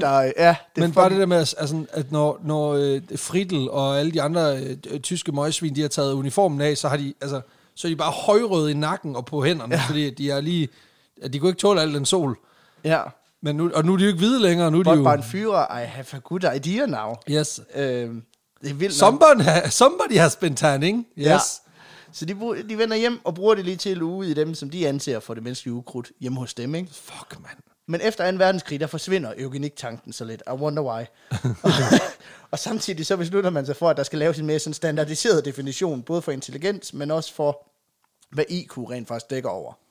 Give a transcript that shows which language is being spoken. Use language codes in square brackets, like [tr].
[da] der... Ja, det men bare det der med, altså, at når Fridl og alle de andre tyske møgsvin, de har taget uniformen af, så har de, altså, så er de bare højrøde i nakken og på hænderne, fordi de er lige... At de kunne ikke tåle al den sol. Ja. Men nu, og nu er de jo ikke hvide længere, nu er de jo... Bare en fyrer, [en] I have a good idea now. Yes. [da] Det er vildt. [en] Somebody has been tanning. Yes. [da] Ja. Så de vender hjem og bruger det lige til at luge i dem, som de anser for det menneskelige ukrudt hjemme hos dem, ikke? Fuck, man. Men efter 2. verdenskrig, der forsvinder eugenik-tanken så lidt. [en] I wonder why. [da] Og samtidig så beslutter man sig for, at der skal laves en mere sådan standardiseret definition, både for intelligens, men også for, hvad IQ rent faktisk dækker over.